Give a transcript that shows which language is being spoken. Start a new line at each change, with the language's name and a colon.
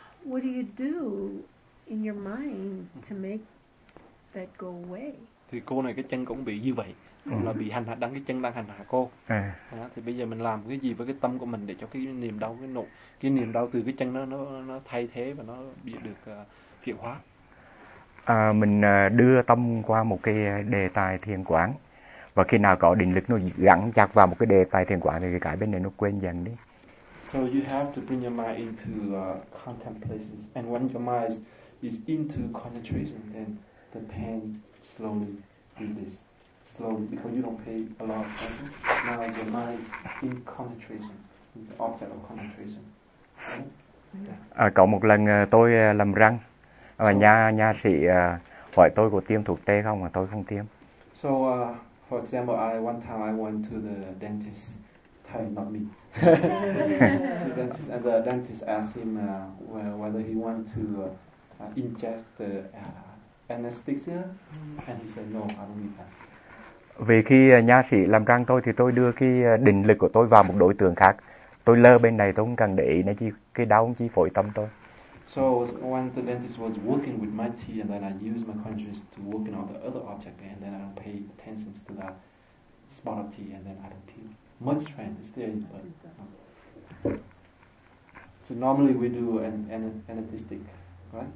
English: What do you do in your mind to make that go away?
Vietnamese: Thì cô này cái chân cũng bị như vậy, là bị hành hạ, đang cái chân đang hành hạ cô. Thì bây giờ mình làm cái gì với cái tâm của mình để cho cái niềm đau cái niềm đau từ cái chân nó thay thế và nó bị được chuyển hóa. Mình đưa tâm qua một cái đề tài thiền quán. Và khi nào có định lực nó gắn chặt vào một cái đề tài thiền quán thì cái bên này nó quên dần đi.
English: So you have to bring your mind into contemplation. And when your mind is into concentration, then the pain slowly releases. Slowly, because you don't pay a lot of attention. Now your mind is in concentration, in the object of concentration. Okay?
Vietnamese: Có một lần tôi làm răng. Và nha sĩ hỏi tôi có tiêm thuốc tê không mà tôi không tiêm.
English: So for example, one time I went to the dentist, Thai, not me. To the dentist, and the dentist asked him whether he want to inject the anesthesia, and he said no, I don't need that.
Vietnamese: Vì khi nha sĩ làm răng tôi thì tôi đưa cái định lực của tôi vào một đối tượng khác. Tôi lơ bên này, tôi không cần để ý nó chi cái đau chi phổi tâm tôi.
English: So when the dentist was working with my teeth, and then I used my consciousness to work on the other object, and then I don't pay attention to that spot of teeth, and then I don't feel much strength still. But so normally we do an anesthetic, right?